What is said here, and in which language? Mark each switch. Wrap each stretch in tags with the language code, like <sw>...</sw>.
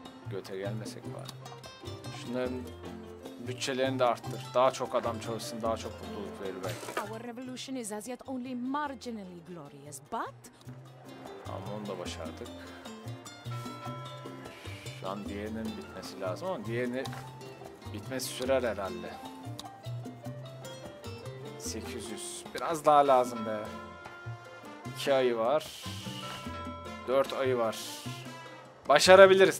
<tr>göte gelmesek bari. Şunların bütçelerini de arttır. Daha çok adam çalışsın, daha çok mutluluk verir belki.</tr> <en>Our revolution is as yet only marginally glorious, but...</en> <tr>Ama onu da başardık. Şu an diğerinin bitmesi lazım ama diğerini bitmesi sürer herhalde. 800. Biraz daha lazım be. 2 ayı var. 4 ayı var. Başarabiliriz.</tr>